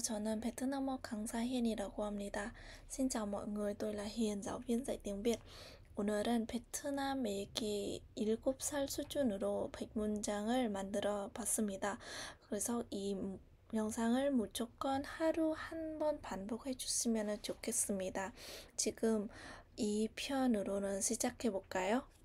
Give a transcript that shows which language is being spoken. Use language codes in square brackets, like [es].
[ko] 저는 베트남어 강사 힌이라고 합니다. [vi] Xin chào mọi người, tôi là Hiền, giáo viên dạy tiếng Việt. [ko] 오늘은 베트남 읽기 7살 수준으로 100문장을 만들어 봤습니다. 그래서 이 영상을 무조건 하루 한번 반복해 주시면 좋겠습니다. 지금 이 편으로는 시작해 볼까요?